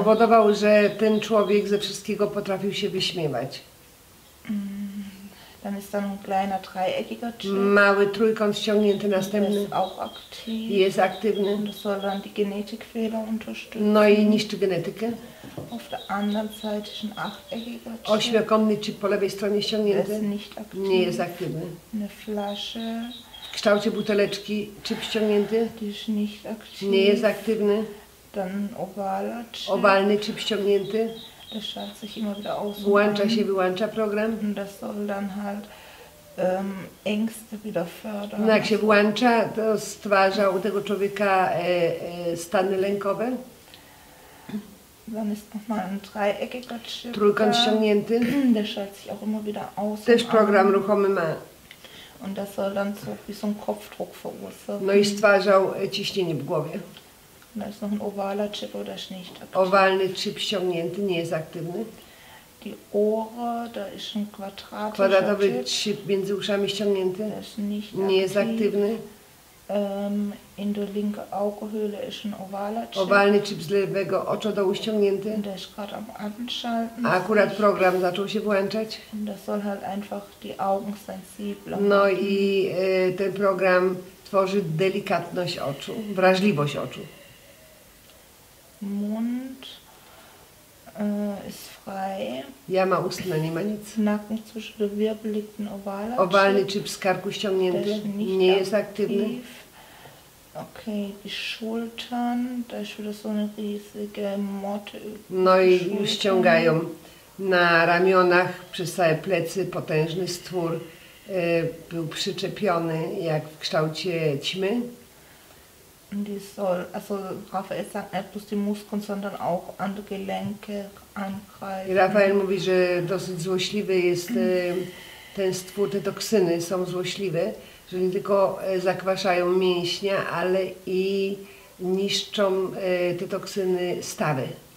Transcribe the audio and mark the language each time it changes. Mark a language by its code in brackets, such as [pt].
[pl] Powodował, że ten człowiek ze wszystkiego potrafił się wyśmiewać. [de] Dann ist dann ein kleiner dreieckiger Chip. [pl] Mały trójkąt ściągnięty następny. [de] Ist auch aktiv. [pl] Jest aktywny. [de] Und das soll dann die Genetikfehler unterstützen. [pl] No i niszczy genetykę. [de] Auf der anderen Seite ist ein achteckiger Chip. [pl] Ośmiokątny chip po lewej stronie ściągnięty. [de] Ist nicht aktiv. [pl] Nie jest aktywny. [de] Eine Flasche. [pl] kształcie buteleczki, chip ściągnięty? Też [de] nicht aktiv. [pl] Nie jest aktywny. [de] Dann ovaler chip. [pl] Ovalny chip ściągnięty. [de] Das schaltet sich immer wieder aus. [pl] Włącza się, wyłącza program. [de] Das soll dann halt Ängste wieder fördern. [pl] No, jak się włącza, to stwarza u tego człowieka stany lękowe. [de] Dann ist nochmal ein dreieckiger Chip. [pl] Trójkąt ściągnięty. [de] Der schaltet sich auch immer wieder aus. [pl] Też program ruchomy ma. [de] Und das soll dann so wie so ein Kopfdruck verursachen. [pl] No i stwarzał ciśnienie w głowie. [de] Da ist noch ein ovaler Chip oder ist nicht aktiv. [pl] Ovalny Chip ściągnięty, nie jest aktywny. [de] Die Ohren, da ist ein quadratischer [pl] Chip między uszami ściągnięty. [de] Der ist nicht aktiv. [pl] Nie jest aktywny. [de] In der linken Augenhöhle ist ein ovaler Chip. [pl] Ovalny Chip z lewego oczodołu ściągnięty. [de] Der ist gerade am Anschalten. [pl] A akurat program zaczął się włączać. [de] Und das soll halt einfach die Augen sensibler. [pl] No i ten program tworzy delikatność oczu, wrażliwość oczu. [de] Mund ist frei. [pl] Ja ma ustne, nie ma nic. [de] Nacken zwischen den Wirbeln liegt ein ovaler Chip. [pl] Ovalny Chip z karku ściągnięty. Nie jest aktywny. [de] Okay, die Schultern, da ist wieder so eine riesige Motte. [pl] No i już ściągają na ramionach, przez całe plecy, potężny stwór był przyczepiony, jak w kształcie ćmy. [de] Die soll, also Raphael sagt, nicht bloß die Muskeln, sondern auch an die Gelenke angreifen. [pl] Raphael mówi, że dosyć złośliwy jest ten stwór, te toksyny są złośliwe. Że nie tylko zakwaszają mięśnia, ale i niszczą te toksyny stawy.